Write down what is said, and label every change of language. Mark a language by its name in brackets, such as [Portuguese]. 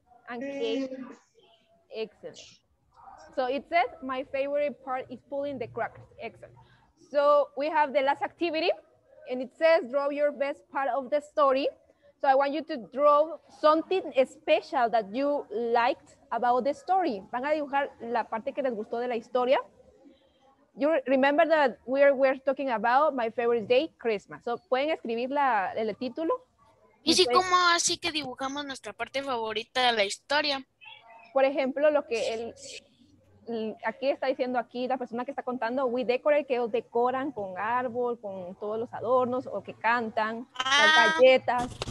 [English] and cake. Excellent. So it says, my favorite part is pulling the cracks. Excellent. So we have the last activity. And it says, draw your best part of the story. So I want you to draw something special that you liked about the story. [Spanish] Van a dibujar la parte que les gustó de la historia. [English] You remember that we're talking about my favorite day, Christmas. [Spanish] So pueden escribir el título. ¿Y si cómo así que dibujamos nuestra parte favorita de la historia? Por ejemplo, lo que él... Aquí está diciendo aquí la persona que está contando, [English] we decorate, [Spanish] que ellos decoran con árbol, con todos los adornos, o que cantan, las galletas.